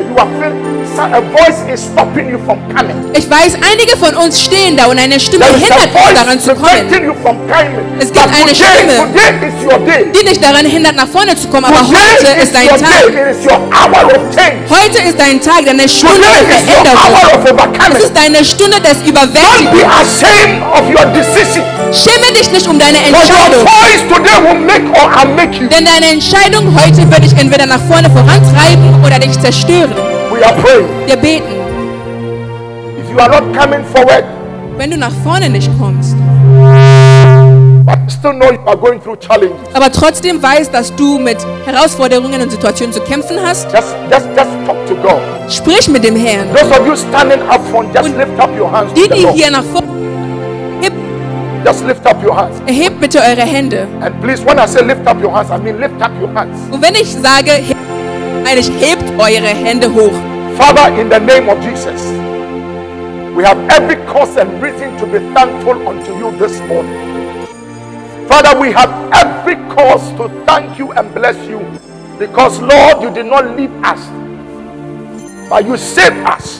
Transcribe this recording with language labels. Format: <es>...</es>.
<en>You are feeling a voice is stopping you from coming.</en> <de>Ich weiß, einige von uns stehen da und eine Stimme hindert uns daran zu kommen. Es gibt eine Stimme, die dich daran hindert, nach vorne zu kommen. Aber heute ist dein Tag. Heute ist dein Tag, deine Stunde der Veränderung. Es ist deine Stunde des Überwältigens. Schäme dich nicht um deine Entscheidung. Denn deine Entscheidung heute wird dich entweder nach vorne vorantreiben oder dich zerstören. Wir beten.</de> <en>If you are not coming forward,</en> <de>wenn du nach vorne nicht kommst,</de> <en>but still know you are going through challenges,</en> <de>aber trotzdem weißt, dass du mit Herausforderungen und Situationen zu kämpfen hast,</de> <en>just talk to God.</en> <de>Sprich mit dem Herrn.</de> <en>Those of you standing up front, just und lift up your hands.</en> <de>Die, die</de> <en>the</en> <de>hier</de> <en>Lord.</en> <de>Nach vorne</de> <en>just lift up your hands.</en> <de>Erhebt bitte eure Hände.</de> <en>And please, when I say lift up your hands, I mean lift up your hands.</en> <de>Und wenn ich sage, eigentlich hebt eure Hände hoch.</de> <en>Father, in the name of Jesus, we have every cause and reason to be thankful unto you this morning. Father, we have every cause to thank you and bless you, because Lord, you did not leave us, but you saved us.</en>